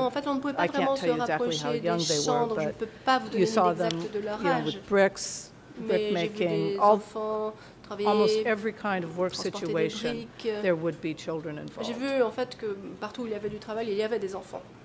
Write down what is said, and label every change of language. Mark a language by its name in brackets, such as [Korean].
[French] En fait, on ne pouvait pas vraiment se rapprocher des champs, donc je ne peux pas vous donner l'exact [English] them, [French] de leur âge. [English] You know, with bricks, brick making, almost every kind of work situation, there would be children involved. [French] J'ai vu en fait que partout où il y avait du travail, il y avait des enfants.